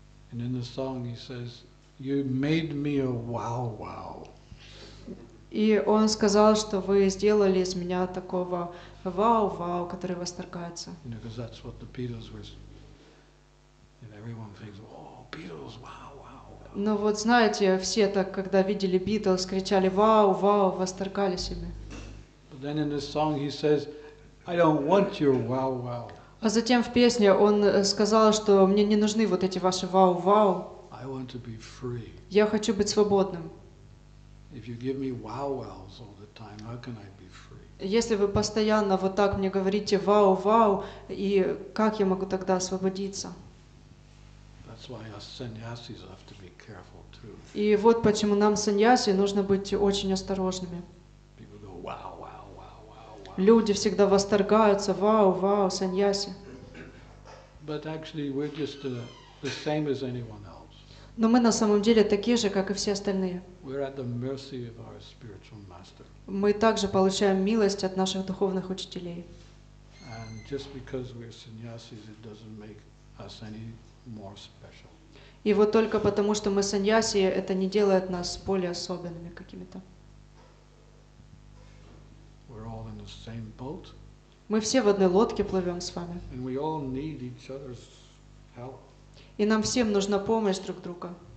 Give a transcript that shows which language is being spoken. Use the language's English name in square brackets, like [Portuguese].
[English] And in the song he says, "You made me a wow wow." [Russian] И он сказал, что вы сделали из меня такого вау-вау, который восторгается. [English] You know, 'cause that's what the Beatles were. And everyone thinks, oh, Beatles, wow, wow. [Russian] Но вот знаете, все так, когда видели Beatles, кричали вау-вау, восторгались ими. [English] But then in this song he says, I don't want your wow-wow. [Russian] А затем в песне он сказал, что мне не нужны вот эти ваши вау-вау. [English] I want to be free. [Russian] Я хочу быть свободным. [English] If you give me wow wows all the time, how can I be free? [Russian] Если вы постоянно вот так мне говорите вау вау, и как я могу тогда освободиться? [English] That's why us sannyasis have to be careful too. [Russian] И вот почему нам саньяси нужно быть очень осторожными. [English] People go wow wow wow wow wow. [Russian] Люди всегда восторгаются вау вау саньяси. [English] But actually, we're just the same as anyone else. [Russian] Но мы на самом деле такие же, как и все остальные. [English] We're at the mercy of our spiritual master. [Russian] Мы также получаем милость от наших духовных учителей. [English] And just because we're sannyasis, it doesn't make us any more special. [Russian] И вот только потому, что мы саньяси, это не делает нас более особенными какими-то. [English] We're all in the same boat. [Russian] Мы все в одной лодке плывем с вами. [English] And we all need each other's help. [Russian] И нам всем нужна помощь друг друга.